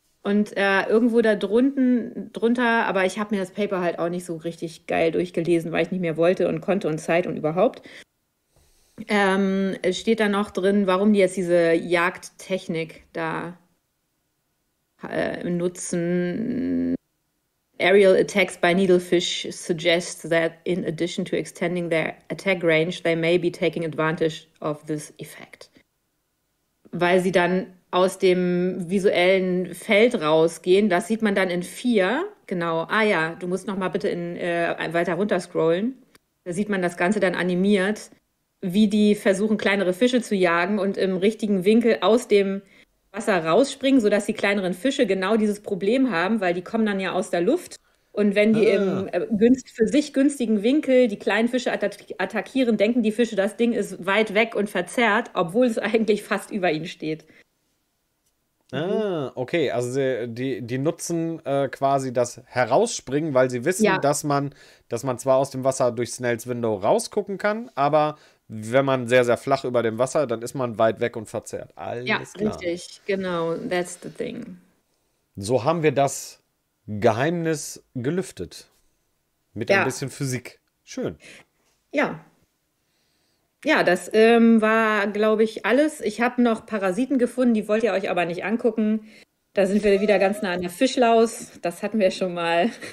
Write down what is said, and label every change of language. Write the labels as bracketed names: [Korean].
[German] Und irgendwo da drunter, aber ich habe mir das Paper halt auch nicht so richtig geil durchgelesen, weil ich nicht mehr wollte und konnte und Zeit und überhaupt, steht da noch drin, warum die jetzt diese Jagdtechnik da nutzen. [English] Aerial attacks by needlefish suggests that in addition to extending their attack range, they may be taking advantage of this effect. [German] Weil sie dann aus dem visuellen Feld rausgehen, das sieht man dann in vier, genau. Ah ja, du musst noch mal bitte weiter runter scrollen. Da sieht man das Ganze dann animiert, wie die versuchen, kleinere Fische zu jagen und im richtigen Winkel aus dem Wasser rausspringen, sodass die kleineren Fische genau dieses Problem haben, weil die kommen dann ja aus der Luft. Und wenn die im für sich günstigen Winkel die kleinen Fische attackieren, denken die Fische, das Ding ist weit weg und verzerrt, obwohl es eigentlich fast über ihnen steht. Ah, okay, also die nutzen quasi das Herausspringen, weil sie wissen, Ja. dass man zwar aus dem Wasser durch Snell's Window rausgucken kann, aber wenn man sehr, sehr flach über dem Wasser, dann ist man weit weg und verzerrt. Ja, Alles klar. richtig, genau, [English] that's the thing. [German] So haben wir das Geheimnis gelüftet. Mit ein Ja. bisschen Physik. Schön. Ja. Ja, das war, glaube ich, alles. Ich habe noch Parasiten gefunden, die wollt ihr euch aber nicht angucken. Da sind wir wieder ganz nah an der Fischlaus. Das hatten wir schon mal.